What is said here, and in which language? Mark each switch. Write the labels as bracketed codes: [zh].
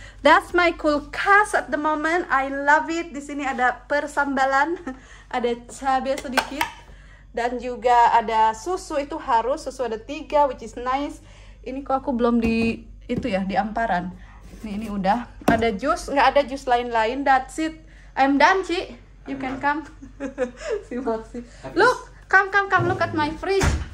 [en] That's my kulkas at the moment. I love it. [id] Di sini ada persambalan, ada cabai sedikit, dan juga ada susu. Itu harus susu, ada 3, [en] which is nice. [id] Ini kok aku belum di itu ya, di amparan. Ini udah. Ada jus, nggak ada jus lain-lain. [en] That's it. I'm done, Ci. You can come. Si Maxi. Look, come look at my fridge.